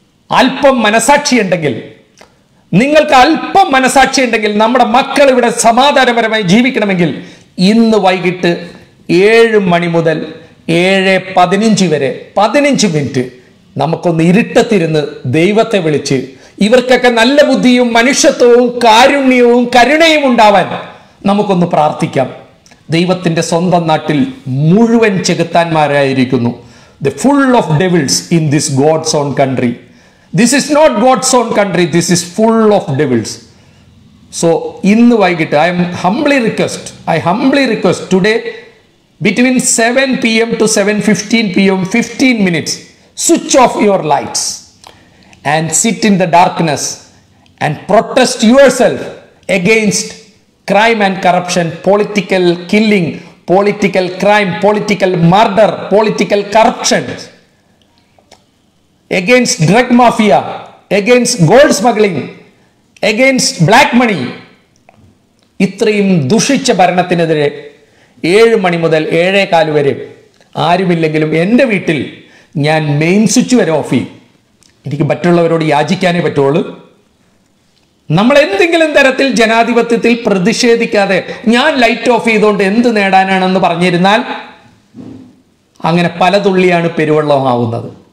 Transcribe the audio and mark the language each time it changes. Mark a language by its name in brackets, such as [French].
[Malayalam] അല്പം മനസാക്ഷിയുണ്ടെങ്കിൽ, നിങ്ങൾക്ക് അല്പം മനസാക്ഷിയുണ്ടെങ്കിൽ നമ്മുടെ മക്കൾ ഇവിടെ സമാധാനപരമായി ജീവിക്കണമെങ്കിൽ ഇന്ന് വൈകിട്ട് 7 മണി മുതൽ 7:15 വരെ 15 മിനിറ്റ് നമുക്കൊന്ന് ഇരുട്ടത്തിരുന്ന് ദൈവത്തെ വിളിച്ച് ഇവർക്കൊക്കെ നല്ല ബുദ്ധിയും മനുഷ്യത്വവും കാരുണ്യവും കരുണയും ഉണ്ടാവാൻ നമുക്കൊന്ന് പ്രാർത്ഥിക്കാം. ദൈവത്തിൻ്റെ സ്വന്തം നാട്ടിൽ മുഴുവൻ ചെകുത്താന്മാരായിരിക്കുന്നു. [English] The full of devils in this God's own country. This is not God's own country. This is full of devils. So, [Malayalam] innu vaigittu, [English] I humbly request today between 7 p.m. to 7:15 p.m., 15 minutes, switch off your lights and sit in the darkness and protest yourself against crime and corruption, political killing, political crime, political murder, political corruption, against drug mafia, against gold smuggling, against black money. [Malayalam] ഇത്രയും ദുഷിച്ച ഭരണത്തിനെതിരെ 7 മണി മുതൽ 7:15 വരെ ആരുമില്ലെങ്കിലും എൻ്റെ വീട്ടിൽ ഞാൻ main switch വരെ of ചെയ്യും. എനിക്ക് മറ്റുള്ളവരോട് യാചിക്കാനേ പറ്റുള്ളൂ. നമ്മളെന്തെങ്കിലും തരത്തിൽ ജനാധിപത്യത്തിൽ പ്രതിഷേധിക്കാതെ ഞാൻ ലൈറ്റ് ഓഫ് ചെയ്തുകൊണ്ട് എന്ത് നേടാനാണെന്ന് പറഞ്ഞിരുന്നാൽ അങ്ങനെ പല തുള്ളിയാണ് പെരുവെള്ളം ആവുന്നത്.